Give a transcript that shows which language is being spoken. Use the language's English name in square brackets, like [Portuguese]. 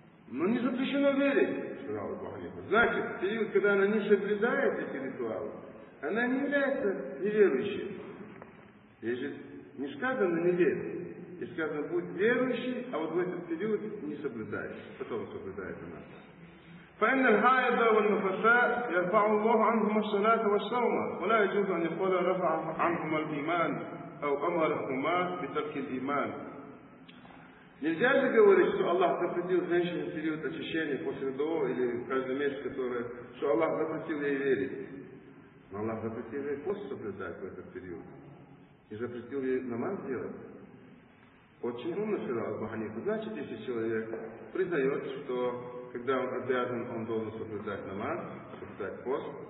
[Russian] Но не запрещено верить, сказал Бог. Значит, в период, когда она не соблюдает эти ритуалы, она не является неверующей. Здесь же не сказано «не верит», и сказано «будь верующий», а вот в этот период не соблюдает, потом соблюдает она. [Arabic] فإن الحائض والنفساء يرفع الله عنهم الصلاة والصوم ولا يجوز أن يقول رفع عنهم الإيمان أو أمرهما بترك الإيمان. [Russian] Нельзя же говорить, что Аллах запретил женщине в период очищения после родов или каждый месяц, который, что Аллах запретил ей верить. Но Аллах запретил ей пост соблюдать в этот период. И запретил ей намаз делать. Очень умно сказал Аль-Баханифа. Значит, если человек признает, что когда он обязан, он должен соблюдать намаз, соблюдать пост.